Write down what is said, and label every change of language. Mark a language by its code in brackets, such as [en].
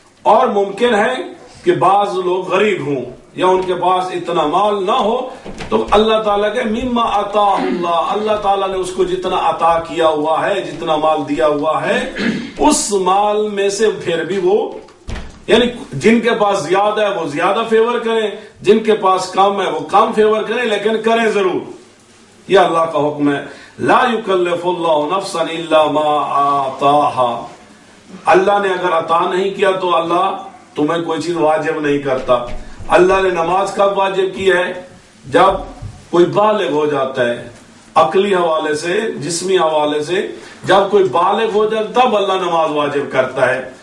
[ur] اور ممکن ہے کہ بعض لوگ غریب ہوں یا ان کے پاس اتنا مال نہ ہو, تو اللہ تعالیٰ کے [ar] مما عطا اللہ, [ur] اللہ تعالیٰ نے اس کو جتنا عطا کیا ہوا ہے, جتنا مال دیا ہوا ہے, اس مال میں سے پھر بھی وہ, یعنی جن کے پاس زیادہ ہے وہ زیادہ فیور کریں, جن کے پاس کم ہے وہ کم فیور کریں, لیکن کریں ضرور, یہ اللہ کا حکم ہے. [ar] لا یکلف اللہ نفسا الا ما آتاها. [ur] اللہ نے اگر عطا نہیں کیا تو اللہ تمہیں کوئی چیز واجب نہیں کرتا. اللہ نے نماز کب واجب کی ہے؟ جب کوئی بالغ ہو جاتا ہے, عقلی حوالے سے, جسمی حوالے سے, جب کوئی بالغ ہو جاتا تب اللہ نماز واجب کرتا ہے.